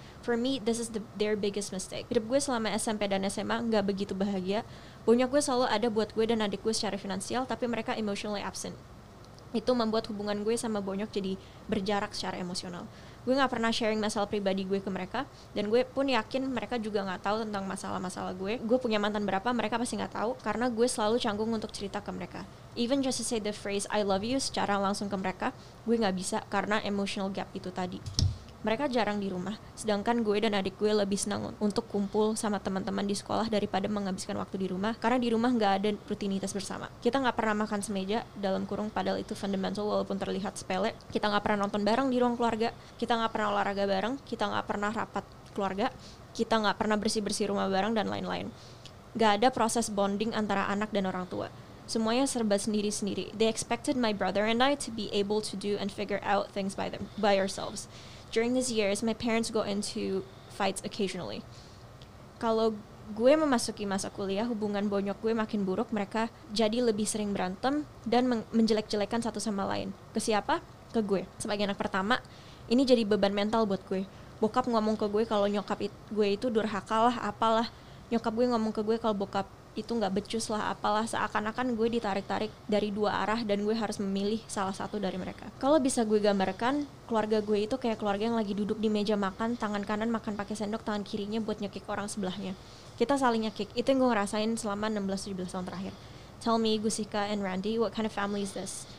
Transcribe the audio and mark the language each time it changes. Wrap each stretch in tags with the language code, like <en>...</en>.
<en>For me, this is their biggest mistake.</en> <id>Hidup gue selama SMP dan SMA gak begitu bahagia. Bonyok gue selalu ada buat gue dan adik gue secara finansial, tapi mereka</id> <en>emotionally absent.</en> <id>Itu membuat hubungan gue sama bonyok jadi berjarak secara emosional. Gue gak pernah sharing masalah pribadi gue ke mereka, dan gue pun yakin mereka juga gak tahu tentang masalah-masalah gue. Gue punya mantan berapa, mereka pasti gak tahu, karena gue selalu canggung untuk cerita ke mereka.</id> <en>Even just to say the phrase I love you</en> <id>secara langsung ke mereka, gue gak bisa karena</id> <en>emotional gap</en> <id>itu tadi. Mereka jarang di rumah, sedangkan gue dan adik gue lebih senang untuk kumpul sama teman-teman di sekolah daripada menghabiskan waktu di rumah, karena di rumah gak ada rutinitas bersama. Kita gak pernah makan semeja, dalam kurung padahal itu fundamental walaupun terlihat sepele. Kita gak pernah nonton bareng di ruang keluarga, kita gak pernah olahraga bareng, kita gak pernah rapat keluarga, kita gak pernah bersih-bersih rumah bareng, dan lain-lain. Gak ada proses bonding antara anak dan orang tua. Semuanya serba sendiri-sendiri.</id> <en>They expected my brother and I to be able to do and figure out things by ourselves. During these years, my parents go into fights occasionally.</en> <id>Kalau gue memasuki masa kuliah, hubungan bonyok gue makin buruk, mereka jadi lebih sering berantem dan menjelek-jelekan satu sama lain. Ke siapa? Ke gue. Sebagai anak pertama, ini jadi beban mental buat gue. Bokap ngomong ke gue kalau nyokap gue itu durhaka lah, apalah. Nyokap gue ngomong ke gue kalau bokap itu gak becus lah, apalah. Seakan-akan gue ditarik-tarik dari dua arah dan gue harus memilih salah satu dari mereka. Kalau bisa gue gambarkan, keluarga gue itu kayak keluarga yang lagi duduk di meja makan, tangan kanan makan pakai sendok, tangan kirinya buat nyekik orang sebelahnya. Kita saling nyekik. Itu yang gue ngerasain selama 16-17 tahun terakhir.</id> <en>Tell me, Gustika and Randy, what kind of family is this?</en>